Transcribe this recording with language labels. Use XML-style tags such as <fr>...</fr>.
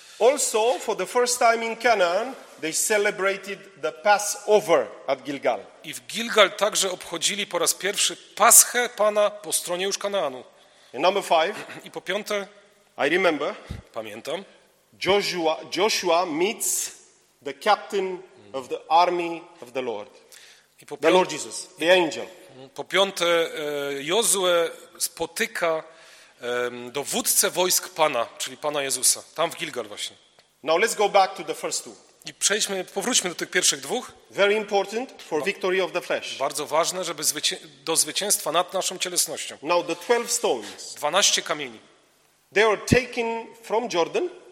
<en>Also, for the first time in Canaan, they celebrated the Passover at Gilgal.</en> <pl>I w Gilgal także obchodzili po raz pierwszy Paschę Pana po stronie już Kanaanu.</pl> <en>And number five,</en> <pl>i po piąte,</pl> <en>I remember,</en> <pl>pamiętam,</pl> <en>Joshua meets the captain of the army of the Lord.</en> <pl>I po</pl> <en>the Lord Jesus, the angel.</en> <pl>Po piąte, Jozue spotyka dowódcę wojsk Pana, czyli Pana Jezusa, tam w Gilgal właśnie.</pl> <en>Now let's go back to the first two.</en> <pl>I powróćmy do tych pierwszych dwóch.</pl> <en>Very important for victory of the flesh.</en> <pl>Bardzo ważne, żeby do zwycięstwa nad naszą cielesnością.</pl> <en>Now the 12 stones.</en> <pl>12 kamieni.</pl> <en>They are taken from Jordan.</en>